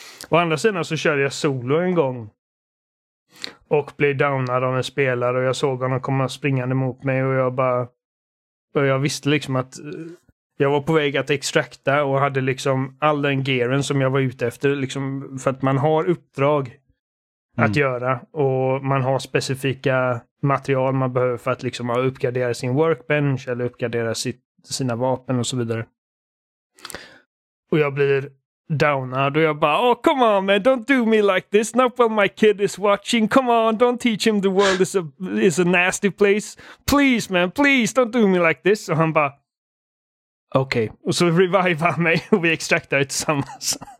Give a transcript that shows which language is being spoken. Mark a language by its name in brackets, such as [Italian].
[Swedish] Å andra sidan så körde jag solo en gång och blev downad av en spelare, och jag såg honom komma springande mot mig, och jag visste liksom att jag var på väg att extrakta och hade liksom all den gearen som jag var ute efter. Liksom, för att man har uppdrag att göra. Och man har specifika material man behöver för att liksom uppgradera sin workbench. Eller uppgradera sina vapen och så vidare. Och jag blir downad och jag bara, [English] oh come on man, don't do me like this, not when my kid is watching, come on, don't teach him the world is a nasty place, please man, please don't do me like this. [Swedish] Och han bara, okej. Okay. Och så revive han mig och vi extraktar det tillsammans.